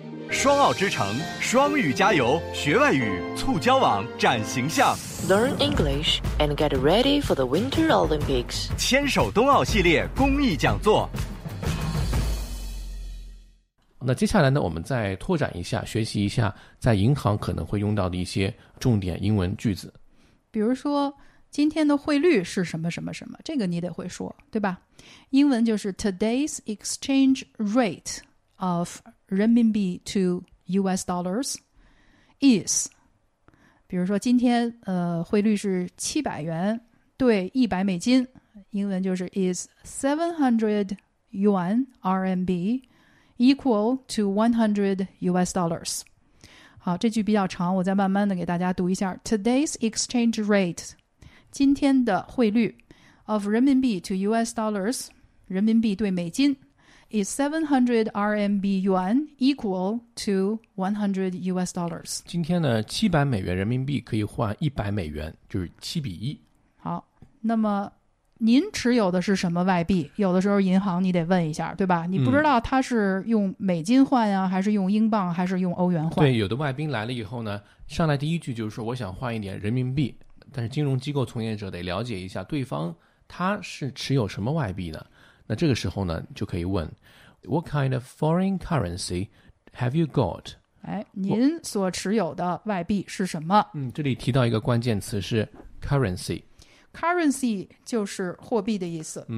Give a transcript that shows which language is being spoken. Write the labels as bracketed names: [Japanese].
[Chinese] 双澳之城，双语加油，学外语，促交往，展形象。 [English] Learn English and get ready for the Winter Olympics. [Chinese] 牵手冬奥系列公益讲座。那接下来呢，我们再拓展一下，学习一下在银行可能会用到的一些重点英文句子。比如说，今天的汇率是什么什么什么，这个你得会说，对吧？英文就是 [English] today's exchange rate of renminbi to US dollars is， [Chinese] 比如说今天汇率是700元对100美金，英文就是 [English] is 700 yuan RMB equal to 100 US dollars。 [Chinese] 好，这句比较长，我再慢慢的给大家读一下。 [English] Today's exchange rate， [Chinese] 今天的汇率 [English] of renminbi to US dollars， [Chinese] 人民币对美金， [English] is 700 RMB yuan equal to 100 US dollars. [Chinese] 今天呢，700美元人民币可以换100美元，就是7:1。好，那么您持有的是什么外币？有的时候银行你得问一下，对吧？你不知道他是用美金换啊，还是用英镑，还是用欧元换？对，有的外宾来了以后呢，上来第一句就是说我想换一点人民币，但是金融机构从业者得了解一下对方他是持有什么外币的。那这个时候呢，就可以问 [English] What kind of foreign currency have you got? [Chinese] 哎，您所持有的外币是什么？这里提到一个关键词是 currency。 currency 就是货币的意思。